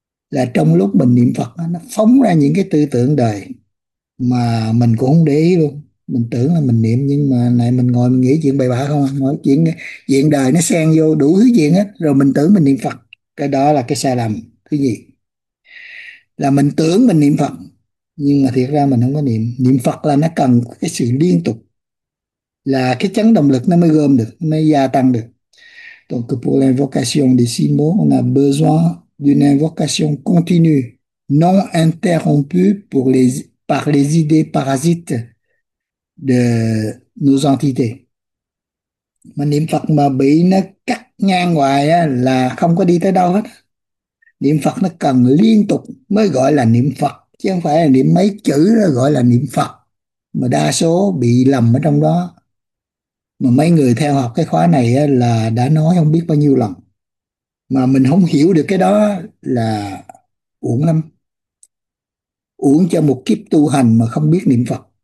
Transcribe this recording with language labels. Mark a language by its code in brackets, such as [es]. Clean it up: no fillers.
[vi] Là trong lúc mình niệm Phật nó phóng ra những cái tư tưởng đời mà mình cũng không để ý luôn, mình tưởng là mình niệm nhưng mà lại mình ngồi mình nghĩ chuyện bậy bạ không, nói chuyện chuyện đời nó xen vô đủ thứ chuyện hết, rồi mình tưởng mình niệm Phật. Cái đó là cái sai lầm thứ gì, là mình tưởng mình niệm Phật nhưng mà thiệt ra mình không có niệm. Niệm Phật là nó cần cái sự liên tục, là cái chấn động lực nó mới gom được, mới gia tăng được. [fr] Donc pour l'invocation de six mots, on a besoin d'une invocation continue, non interrompue pour les, par les idées parasites de nos entités. [vi] Mà niệm Phật mà bị nó cắt ngang hoài á, là không có đi tới đâu hết. Niệm Phật nó cần liên tục mới gọi là niệm Phật, chứ không phải là niệm mấy chữ đó gọi là niệm Phật, mà đa số bị lầm ở trong đó. Mà mấy người theo học cái khóa này á, là đã nói không biết bao nhiêu lần mà mình không hiểu được cái đó là uổng lắm, uổng cho một kiếp tu hành mà không biết niệm Phật.